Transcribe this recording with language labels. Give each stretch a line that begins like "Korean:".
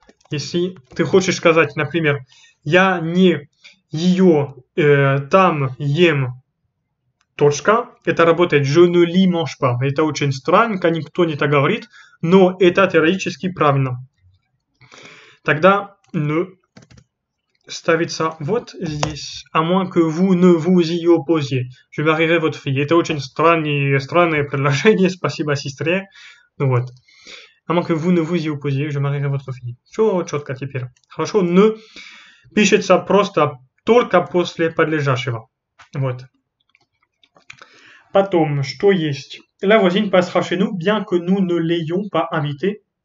Russian: Если ты хочешь сказать, например, я не ее там ем. Точка. Это работает.
French: Je ne l'y mange pas.
Russian: Это очень странно, никто не так говорит, но это теоретически правильно. Тогда ne ставится вот здесь.
French: À moins que vous ne vous y opposiez. Je marierai votre fille.
Russian: Это очень странное предложение. Спасибо, сестре. Ну вот.
French: À moins que vous ne vous y opposiez. Je marierai votre fille.
Russian: Все четко теперь. Хорошо. Ne пишется просто только после подлежащего. Вот. Потом, что есть?
French: La voisine passera chez nous, bien que nous ne l'ayons pas invitée.